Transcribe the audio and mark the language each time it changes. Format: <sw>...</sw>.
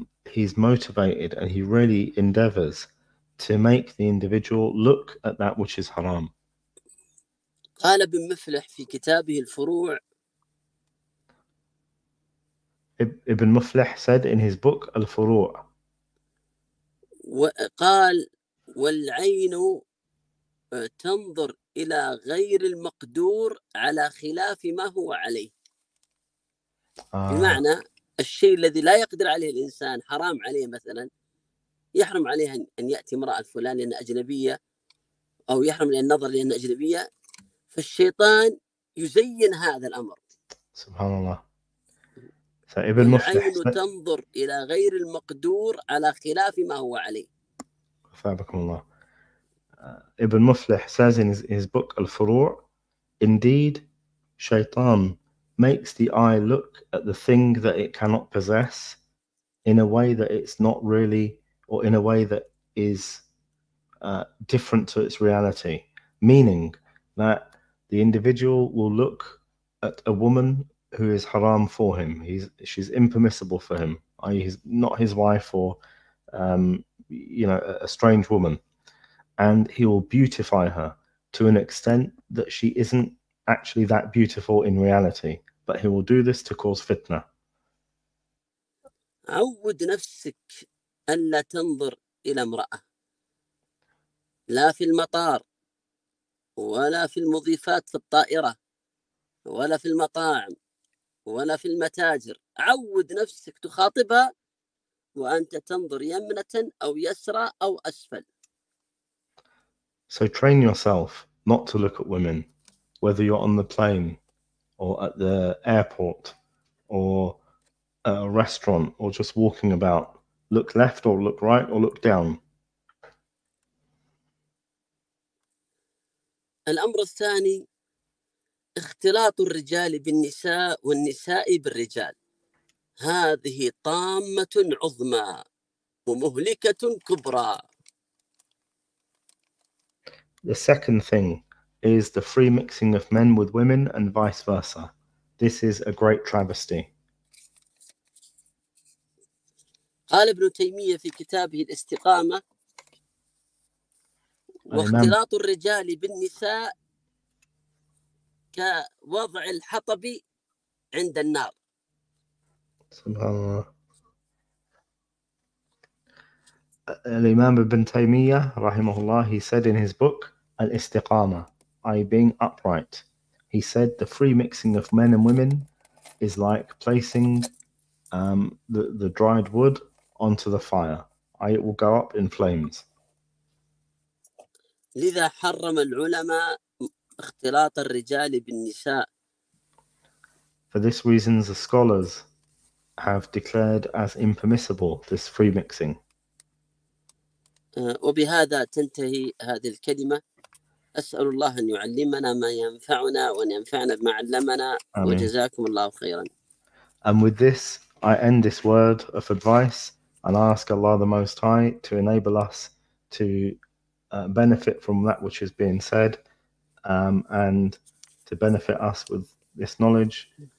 <en>he's motivated and he really endeavors to make the individual look at that which is haram.</en> <ar>قال ابن مفلح في كتابه الفروع.</ar> <en>Ibn Muflih said in his book Al-Furu'</en> <ar>وقال والعين تنظر إلى غير المقدور على خلاف ما هو عليه. بمعنى الشيء الذي لا يقدر عليه الإنسان حرام عليه مثلا يحرم عليه أن يأتي امرأة فلان لأن أجنبية أو يحرم عليه النظر لأن أجنبية فالشيطان يزين هذا الأمر سبحان الله.</ar> <en>So Ibn Muflih</en> <ar>العين تنظر إلى غير المقدور على خلاف ما هو عليه. فابكم الله.</ar> <en>Ibn Muflih says in his book Al-Furu' indeed shaitan makes the eye look at the thing that it cannot possess in a way that it's not really or in a way that is different to its reality, meaning that the individual will look at a woman who is haram for him, she's impermissible for him, i.e. not his wife or a strange woman, and he will beautify her to an extent that she isn't actually that beautiful in reality, but he will do this to cause fitna.</en> <ar>عود نفسك أن لا تنظر إلى امرأة لا في المطار ولا في المضيفات في الطائرة ولا في المطاعم ولا في المتاجر. عود نفسك تخاطبها وأنت تنظر يمنة أو يسرى أو أسفل.</ar> <en>So train yourself not to look at women, whether you're on the plane or at the airport or at a restaurant or just walking about. Look left or look right or look down.</en> <ar>الأمر الثاني اختلاط الرجال بالنساء والنساء بالرجال. هذه طامة عظمى ومهلكة كبرى.</ar> <en>The second thing is the free mixing of men with women and vice versa. This is a great travesty.</en> <ar>قال ابن تيمية في كتابه الاستقامة واختلاط الرجال بالنساء كوضع الحطب عند النار. سبحان الله. الإمام ابن تيمية رحمه الله,</ar> <en>he said in his book الاستقامة, I being upright, he said the free mixing of men and women is like placing the dried wood onto the fire. It will go up in flames.</en> <ar>لذا حرم العلماء اختلاط الرجال بالنساء.</ar> <en>For this reason, the scholars have declared as impermissible this free mixing.</en> <ar>وبهذا تنتهي هذه الكلمة. أسأل الله أن يعلمنا ما ينفعنا وأن ينفعنا بما علمنا وجزاكم الله خيرا.</ar> <en>And with this, I end this word of advice and ask Allah the Most High to enable us to benefit from that which is being said and to benefit us with this knowledge.</en>